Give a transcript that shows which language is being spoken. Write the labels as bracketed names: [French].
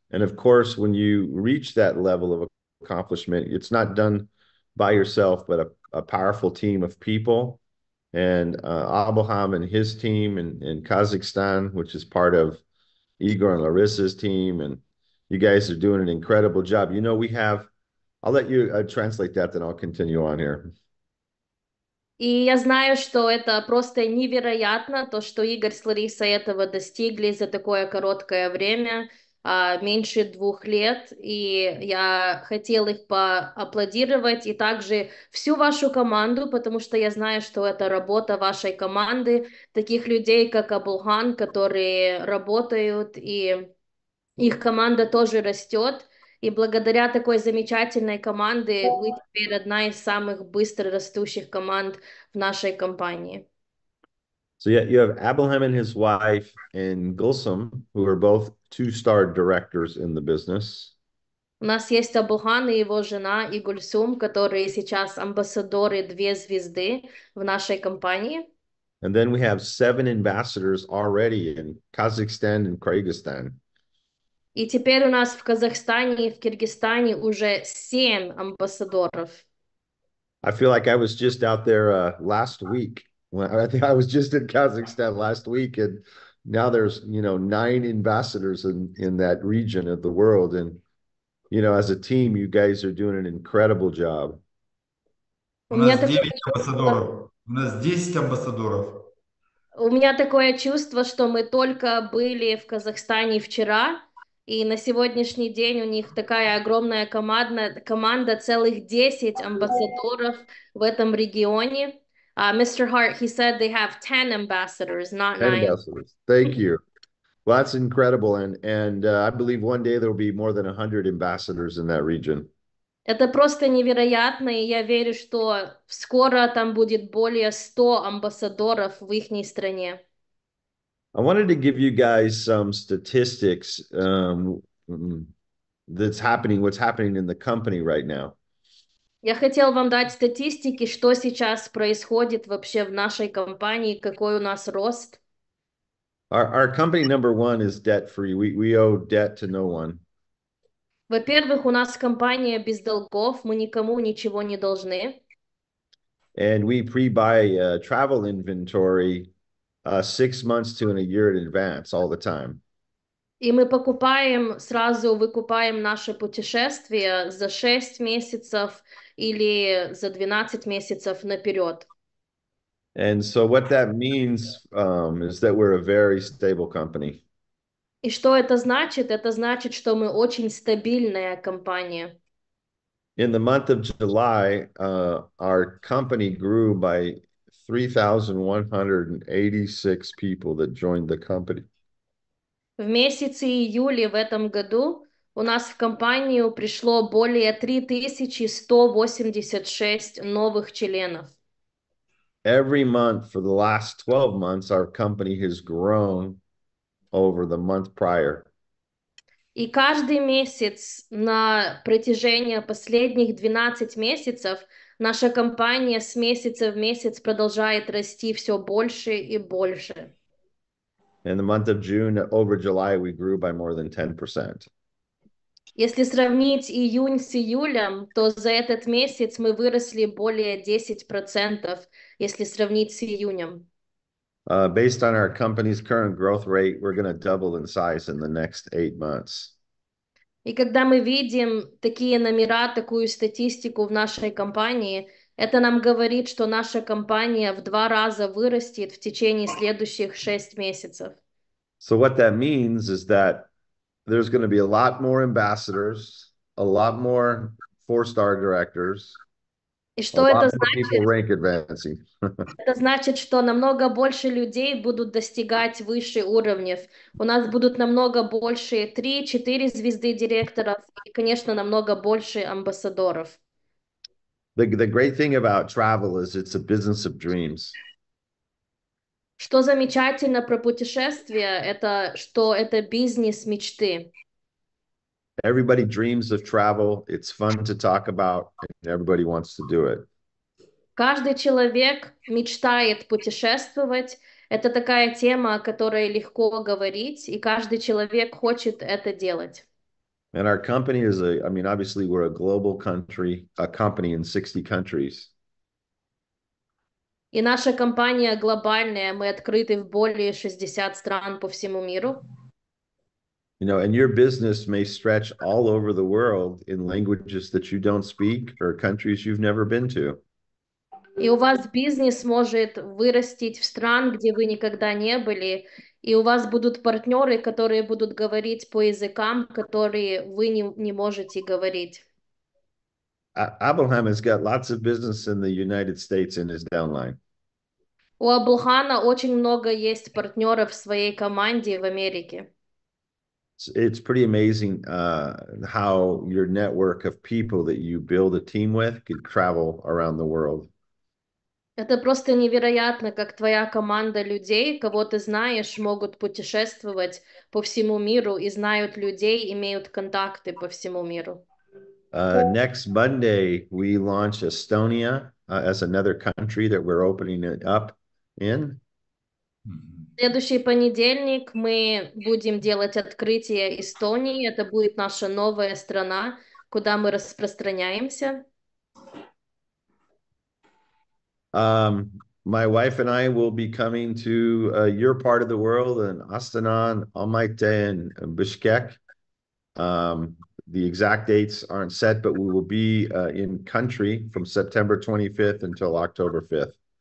[English] And of course, when you reach that level of accomplishment, it's not done by yourself, but a powerful team of people. And Abraham and his team in Kazakhstan, which is part of Igor and Larissa's team. And you guys are doing an incredible job. I'll let you translate that, then I'll continue on here. [Russian] И я знаю, что это просто невероятно, то, что Игорь с Ларисой этого достигли за такое короткое время, меньше 2 лет. И я хотел их поаплодировать и также всю вашу команду, потому что я знаю, что это работа вашей команды, таких людей, как Абулхан, которые работают, и их команда тоже растет. И благодаря такой замечательной команде вы теперь одна из самых быстро растущих команд в нашей компании. [English] So yeah, you have Abraham and his wife and Gulsum, who are both 2-star directors in the business. [Russian] У нас есть Абухан и его жена Игульсум, которые сейчас амбассадоры 2 звезды в нашей компании. [English] And then we have 7 ambassadors already in Kazakhstan and Kyrgyzstan. [Russian] И теперь у нас в Казахстане и в Киргизстане уже 7 амбассадоров. [English] I feel like I was just out there last week. Well, I think I was just in Kazakhstan last week, and now there's, 9 ambassadors in that region of the world. And, as a team, you guys are doing an incredible job. [Russian] У меня такое У нас 10 амбассадоров. чувство, что мы только были в Казахстане вчера. И на сегодняшний день у них такая огромная команда, целых 10 амбассадоров в этом регионе. [English] Mr. Hart, he said they have 10 ambassadors, not 10 9. ambassadors. Thank you. Well, that's incredible. And I believe one day there will be more than 100 ambassadors in that region. [Russian] Это просто невероятно, и я верю, что скоро там будет более 100 амбассадоров в их стране. [English] I wanted to give you guys some statistics what's happening in the company right now. [Russian] Я хотел вам дать статистики, что сейчас происходит вообще в нашей компании, какой у нас рост. [English] Our company number one is debt free. We owe debt to no one. [Russian] Во-первых, у нас компания без долгов, мы никому ничего не должны. [English] And we pre-buy travel inventory 6 months to in a year in advance all the time. [Russian] И мы покупаем, сразу выкупаем наше путешествие за 6 месяцев или за 12 месяцев наперед. [English] And so what that means is that we're a very stable company. [Russian] И что это значит? Это значит, что мы очень стабильная компания. [English] In the month of July, our company grew by 3,186 people that joined the company. [Russian] В месяце июля в этом году у нас в компанию пришло более 3186 новых членов. [English] Every month for the last 12 months, our company has grown over the month prior. [Russian] И каждый месяц на протяжении последних 12 месяцев наша компания с месяца в месяц продолжает расти все больше и больше. [English] In the month of June, over July, we grew by more than 10%. [Russian] Если сравнить июнь с июлем, то за этот месяц мы выросли более 10%, если сравнить с июнем. [English] Based on our company's current growth rate, we're going to double in size in the next 8 months. [Russian] И когда мы видим такие номера, такую статистику в нашей компании, это нам говорит, что наша компания в 2 раза вырастет в течение следующих 6 месяцев. [English] So what that means is that there's going to be a lot more ambassadors, a lot more four-star directors, [Russian] И [English] a [Russian] что [English] lot [Russian] это [English] more people [Russian] значит? [English] rank advancing. [Russian] Это значит, что намного больше людей будут достигать выше уровней. У нас будут намного больше 3-4 звезды директоров и, конечно, намного больше амбассадоров. [English] The great thing about travel is it's a business of dreams. [Russian] Что замечательно про путешествия, это что это бизнес мечты. [English] Everybody dreams of travel. It's fun to talk about, and everybody wants to do it. [Russian] Каждый человек мечтает путешествовать. Это такая тема, о которой легко говорить, и каждый человек хочет это делать. [English] And our company is a, I mean, obviously we're a global country, a company in 60 countries. [Russian] И наша компания глобальная, мы открыты в более 60 стран по всему миру. [English] Know, and your business may stretch all over the world in languages that you don't speak or countries you've never been to. [Russian] И у вас бизнес может вырастить в стран, где вы никогда не были, и у вас будут партнеры, которые будут говорить по языкам, которые вы не можете говорить. [English] Abelheim has got lots of business in the United States in his downline. [Russian] У Абулхана очень много есть партнеров в своей команде в Америке. [English] It's pretty amazing how your network of people that you build a team with could travel around the world. [Russian] Это просто невероятно, как твоя команда людей, кого ты знаешь, могут путешествовать по всему миру и знают людей, имеют контакты по всему миру. [English] Next Monday, we launch Estonia as another country that we're opening it up in. [Russian] Следующий понедельник мы будем делать открытие Эстонии. Это будет наша новая страна, куда мы распространяемся. [English] My wife and I will be coming to your part of the world in Astana, Almaty, and Bishkek. The exact dates aren't set, but we will be in country from September 25th until October 5th.